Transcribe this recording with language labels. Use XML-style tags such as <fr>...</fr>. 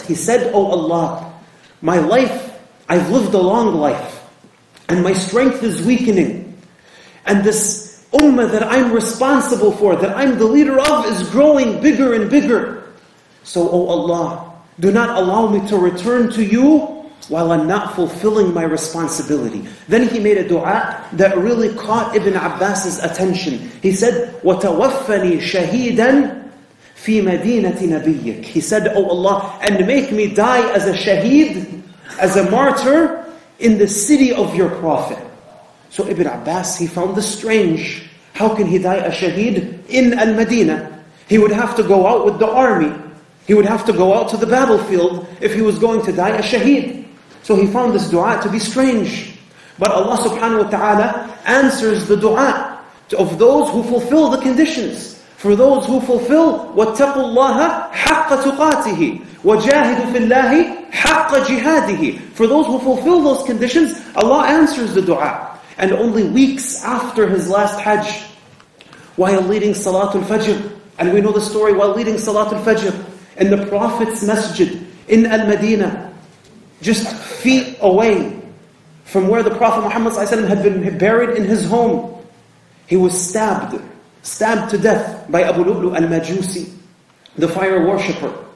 <en>He said, O Allah, my life, I've lived a long life and my strength is weakening, and this ummah that I'm responsible for, that I'm the leader of, is growing bigger and bigger. So, O Allah, do not allow me to return to you while I'm not fulfilling my responsibility. Then he made a dua that really caught Ibn Abbas's attention. He said,</en> <ar>وَتَوَفَّنِي شَهِيدًا فِي مَدِينَةِ نَبِيِّكَ.</ar> <en>He said, O Allah, and make me die as a shaheed, as a martyr, in the city of your Prophet. So Ibn Abbas, he found this strange. How can he die a shaheed in al-Madinah? He would have to go out with the army. He would have to go out to the battlefield if he was going to die a shaheed. So he found this dua to be strange. But Allah subhanahu wa ta'ala answers the dua of those who fulfill the conditions. For those who fulfill,</en> <ar>وَاتَّقُوا اللَّهَ حَقَّ تُقَاتِهِ وَجَاهِدُ فِي اللَّهِ حَقَّ جِهَادِهِ.</ar> <en>For those who fulfill those conditions, Allah answers the dua. And only weeks after his last Hajj, while leading Salatul Fajr, and we know the story, while leading Salatul Fajr in the Prophet's Masjid in Al-Madinah, just feet away from where the Prophet Muhammad ﷺ had been buried in his home, he was stabbed to death by Abu Lu'lu Al-Majusi, the fire worshipper.</en>